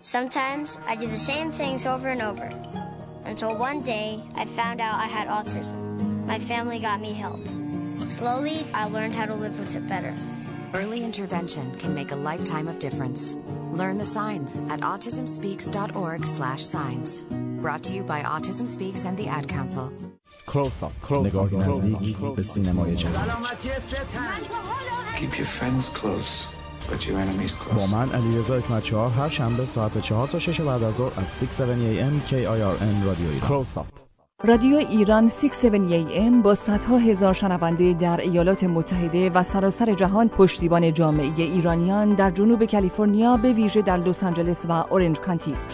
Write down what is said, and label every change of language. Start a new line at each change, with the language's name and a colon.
English: Sometimes, I did the same things over and over, until one day, I found out I had autism. My family got me help. Slowly, I learned how to live with it better. Early intervention can make a lifetime of difference. Learn the signs at autismspeaks.org/signs. Brought to you by Autism Speaks and the Ad Council. Close up.
Persian: نگاهی نزدیک به سینمای جهان. سلامتی ستن.
English: Keep your friends close, but your enemies close.
Persian: با من علیرضا حکمت‌چهار هر شنبه ساعت 4 تا 6 بعد از ظهر از 670 AM KIRN رادیو ایران.
English: Close up.
Persian: رادیو ایران 670 AM با صدها هزار شنونده در ایالات متحده و سراسر جهان پشتیبان جامعه ایرانیان در جنوب کالیفرنیا به ویژه در لس آنجلس و اورنج کانتی است.